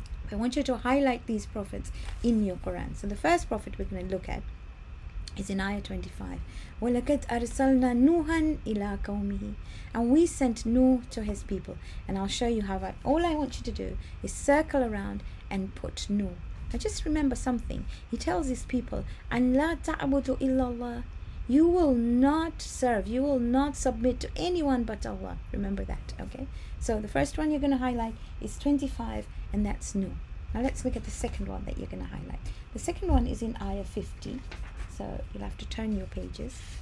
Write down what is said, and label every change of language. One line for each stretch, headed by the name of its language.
English: I want you to highlight these prophets in your Quran. So the first prophet we're going to look at is in ayah 25.
Arabic: وَلَكَدْ أَرْسَلْنَا نُوحًا إِلَىٰ قَوْمِهِ.
English: And we sent Nuh to his people. And I'll show you how that. All I want you to do is circle around and put Nuh. I just remember something. He tells his people,
Arabic: أَنْ لَا تَعْبُدُ إِلَّا اللَّهِ.
English: You will not serve, you will not submit to anyone but Allah. Remember that, okay? So the first one you're going to highlight is 25, and that's Nuh. Now let's look at the second one that you're going to highlight. The second one is in Ayah 50, so you'll have to turn your pages.